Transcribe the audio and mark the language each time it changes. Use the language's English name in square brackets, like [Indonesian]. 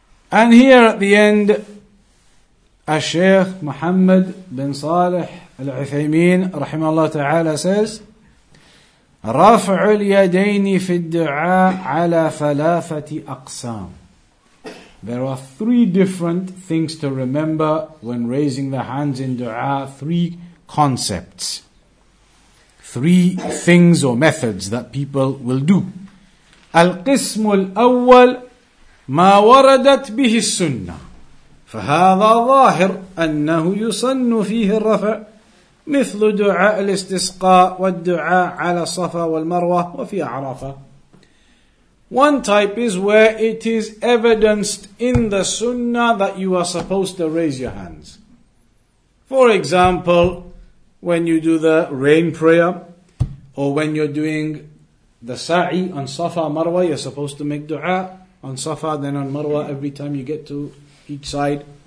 [English] And here at the end, Al-Shaykh Muhammad bin Salih Al-Uthaymeen rahimahullah ta'ala says, [Arabic] رَفْعُ الْيَدَيْنِ فِي الدُّعَاءِ عَلَى ثَلَافَةِ أَقْسَامِ. [English] There are three different things to remember when raising the hands in dua, three concepts, three things or methods that people will do. [Arabic] القسم الأول ما وردت به السنة فهذا ظاهر أنه يصن فيه الرفع مثل دعاء الاستسقاء والدعاء على الصفا والمروة وفي عرفة. [English] One type is where it is evidenced in the sunnah that you are supposed to raise your hands. For example, when you do the rain prayer, or when you're doing the sa'i on Safa Marwa, you're supposed to make dua on Safa, then on Marwa every time you get to each side.